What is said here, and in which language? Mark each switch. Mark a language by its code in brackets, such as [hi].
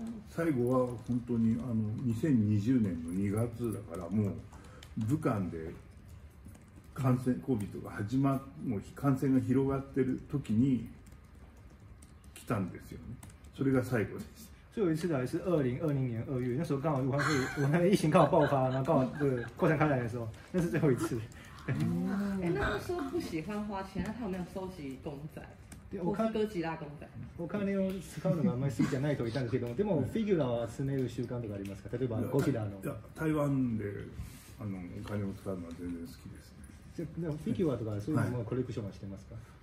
[ja] 最後は本当に2020年の2月だからもう武漢で感染 COVID が始まっもう感染が広がってる時に来たんですよね。それが最後です。 [zh] 最後一次来是2020年2月、那时候刚好武漢疫情刚好爆发，然后刚好扩散开来的时候，那是最后一次。那时候不喜欢花钱，那他有没有收集公仔？ [ja] お金を使うのがあまり好きじゃないと言ったんですけども、でもフィギュラーを集める習慣とかありますか？例えばゴジラの。台湾でお金を使うのは全然好きですね。じゃあフィギュアとかそういうのもコレクションはしてますか？